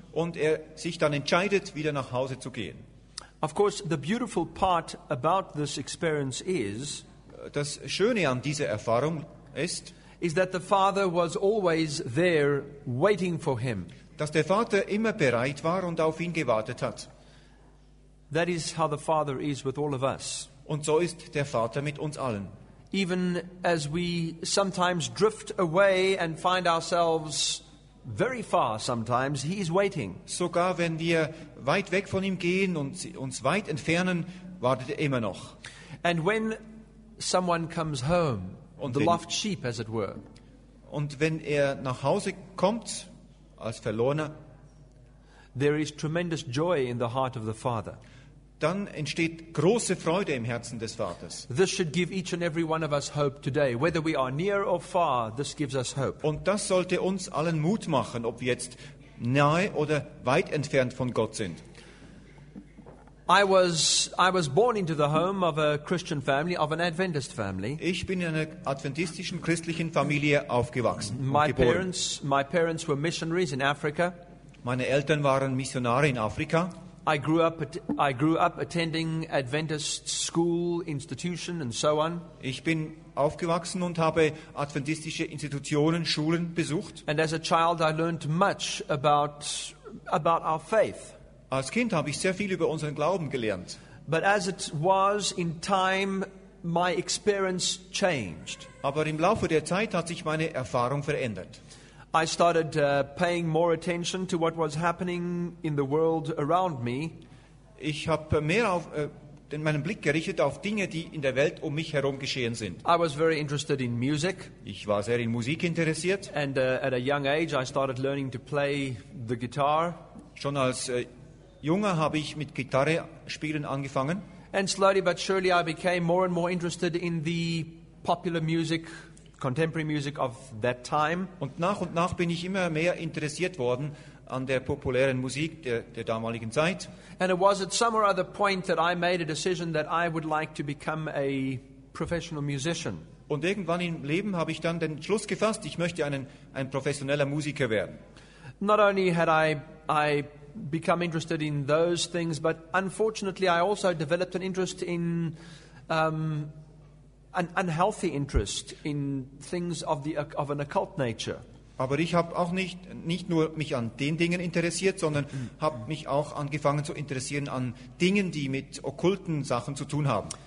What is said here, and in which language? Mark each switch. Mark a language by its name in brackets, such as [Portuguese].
[German] Und er sich dann entscheidet, wieder nach Hause zu gehen. [English] Of course, the beautiful part about this experience is, [German] das Schöne an dieser Erfahrung ist, [English] is that the father was always there waiting for him. [German] Dass der Vater immer bereit war und auf ihn gewartet hat. [English] That is how the father is with all of us. [German] Und so ist der Vater mit uns allen. [English] Even as we sometimes drift away and find ourselves very far sometimes, he is waiting. [German] Sogar wenn wir weit weg von ihm gehen und uns weit entfernen, wartet er immer noch. [English] And when someone comes home, the lost sheep, as it were. [German] Und wenn er nach Hause kommt, als Verlorener, [English] there is tremendous joy in the heart of the father. [German] Dann entsteht große Freude im Herzen des Vaters. [English] This should give each and every one of us hope today, whether we are near or far. This gives us hope. [German] Und das sollte uns allen Mut machen, ob wir jetzt nahe oder weit entfernt von Gott sind. [English] I was born into the home of a Christian family, of an Adventist family. [German] Ich bin in einer adventistischen christlichen Familie aufgewachsen. [English] My parents were missionaries in Africa. [German] Meine Eltern waren Missionare in Afrika. [English] I grew up attending Adventist school institution and so on. [German] Ich bin aufgewachsen und habe adventistische Institutionen, Schulen besucht. [English] And as a child I learned much about our faith. [German] Als Kind habe ich sehr viel über unseren Glauben gelernt. [English] But as it was in time, my experience changed. [German] Aber im Laufe der Zeit hat sich meine Erfahrung verändert. [English] I started paying more attention to what was happening in the world around me. [German] Ich habe mehr auf in meinen Blick gerichtet auf Dinge, die in der Welt um mich herum geschehen sind. [English] I was very interested in music. [German] Ich war sehr in Musik interessiert. [English] And at a young age I started learning to play the guitar. [German] Schon als Junge habe ich mit Gitarre spielen angefangen. [English] And slowly but surely I became more and more interested in the popular music. Contemporary music of that time. [German] Und nach bin ich immer mehr interessiert worden an der populären Musik der damaligen Zeit. [English] And it was at some or other point that I made a decision that I would like to become a professional musician. [German] Und irgendwann im Leben habe ich dann den Schluss gefasst, ich möchte ein professioneller Musiker werden. [English] Not only had I become interested in those things, but unfortunately I also developed an interest in an unhealthy interest in things of an occult nature. [German] Aber ich habe auch nicht nur mich an den Dingen interessiert, sondern habe mich auch angefangen zu interessieren an Dingen, die mit okkulten Sachen zu tun haben.